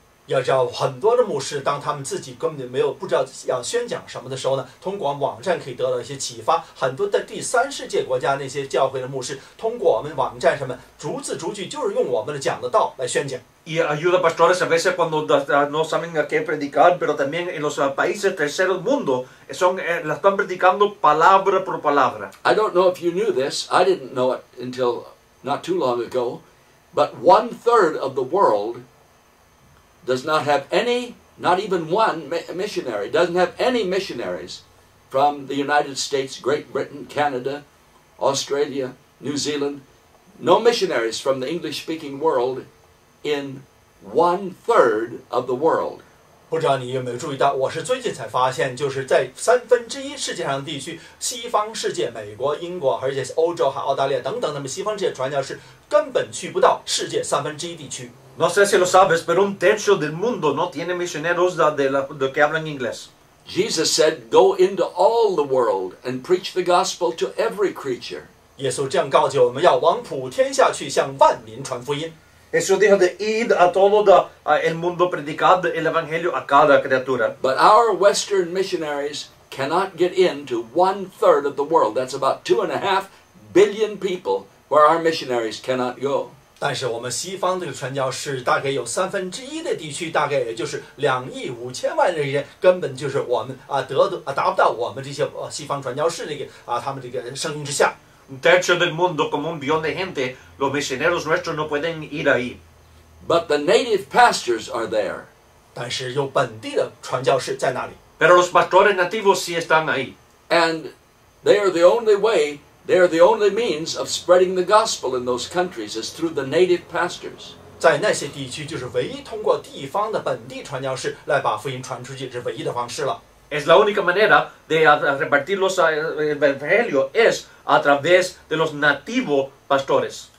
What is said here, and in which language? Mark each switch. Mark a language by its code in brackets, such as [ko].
[zh] 要知道很多的牧师，当他们自己根本就没有不知道要宣讲什么的时候呢，通过网站可以得到一些启发。很多的第三世界国家那些教会的牧师，通过我们网站上面逐字逐句，就是用我们的讲的道来宣讲。 [es] Y ayuda pastores a veces cuando no saben a qué predicar, pero también en los países terceros mundo la están predicando palabra por palabra. [en] I don't know if you knew this. I didn't know it until not too long ago. But 1/3 of the world does not have any, not even one missionary, doesn't have any missionaries from the United States, Great Britain, Canada, Australia, New Zealand. No missionaries from the English-speaking world. In 1/3 of the world, [zh] 不知道你有没有注意到，我是最近才发现，就是在三分之一世界上的地区，西方世界，美国、英国，而且是欧洲和澳大利亚等等，那么西方这些传教士根本去不到世界三分之一地区。 [es] No sé si lo sabes, pero un tercio del mundo no tiene misioneros de que hablan inglés. [en] Jesus said, "Go into all the world and preach the gospel to every creature." [zh] 耶稣这样告诫我们要往普天下去，向万民传福音。 [es] Jesús dijo de ir a todo el mundo predicando el Evangelio a cada criatura. [en] But our Western missionaries cannot get into 1/3 of the world. That's about 2.5 billion people where our missionaries cannot go. [zh] 但是我们西方这个传教士大概有三分之一的地区，大概也就是两亿五千万的人，根本就是我们啊达不到我们这些西方传教士这个啊他们这个声音之下。 [es] Un tercio del mundo como un billón de gente, los misioneros nuestros no pueden ir ahí. [en] But the native pastors are there. [zh] 但是有本地的传教士在那里。 [es] Pero los pastores nativos sí están ahí. [en] And they are the only way. They are the only means of spreading the gospel in those countries is through the native pastors. [zh] 在那些地区就是唯一通过地方的本地传教士来把福音传出去是唯一的方式了。 [es] Es la única manera de repartir los evangelio es a través de los nativos pastores.